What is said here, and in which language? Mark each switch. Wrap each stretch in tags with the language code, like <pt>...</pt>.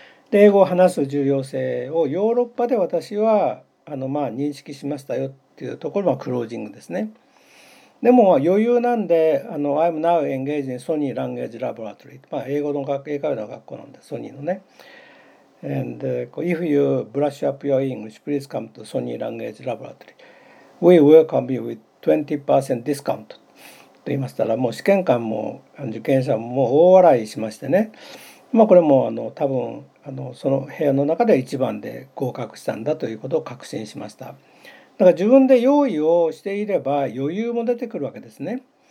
<ja>で、英語を話す重要性をヨーロッパで私はまあ認識しましたよっていうところがクロージングですね。でも余裕なんで、</ja> <en>I'm now engaged in Sony Language Laboratory、</en> <ja>まあ、英語の学英会話の学校なんで、ソニーのね。</ja> <en>And if you brush up your English, please come to Sony Language Laboratory. We welcome you with 20% discount.</en> <ja>と言いましたら、もう試験官も受験者ももう大笑いしましてね。まあ、これも多分その部屋の中で一番で合格したんだということを確信しました。だから自分で用意をしていれば余裕も出てくるわけですね。</ja>